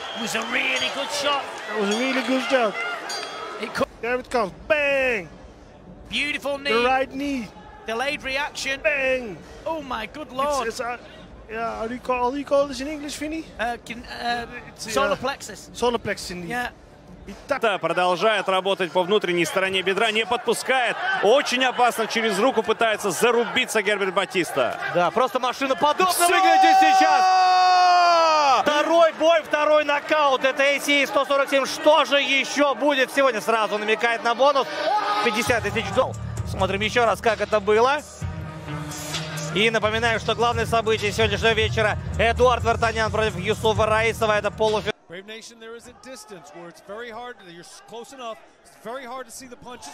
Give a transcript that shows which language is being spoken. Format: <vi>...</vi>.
<en>It was a really good shot. That was a really good shot. There it comes. Bang. Beautiful knee. The right knee. Delayed reaction. Bang. Oh, my good lord. It's yeah. How do you call this in English, Finny? Solar plexus. Solar plexus in the... Yeah.</en> <ru>Да, продолжает работать по внутренней стороне бедра, не подпускает. Очень опасно, через руку пытается зарубиться Герберт Батиста. Да, просто машина подобно выглядит сейчас. Второй бой, второй нокаут. Это ACA 147. Что же еще будет сегодня? Сразу намекает на бонус. 50 тысяч долларов. Смотрим еще раз, как это было. И напоминаю, что главное событие сегодняшнего вечера — Эдуард Вартанян против Юсуфа Раисова. Это полуфинал.</ru> <en>Brave Nation, there is a distance where it's very hard, you're close enough, it's very hard to see the punches.</en>